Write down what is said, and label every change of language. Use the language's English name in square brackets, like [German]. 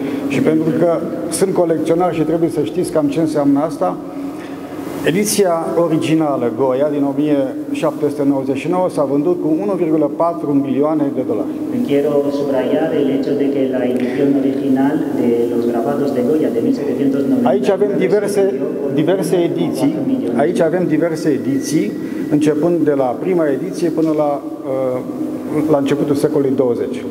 [Romanian] Și pentru că sunt colecționar și trebuie să știți cam ce înseamnă asta, ediția originală Goya din 1799 s-a vândut cu 1,4 milioane de dolari. [Spanish] Quiero subrayar el hecho de que la edición original de los grabados de Goya de 1799. [Romanian] Aici avem diverse ediții. Aici avem diverse ediții, începând de la prima ediție până la la începutul secolului 20.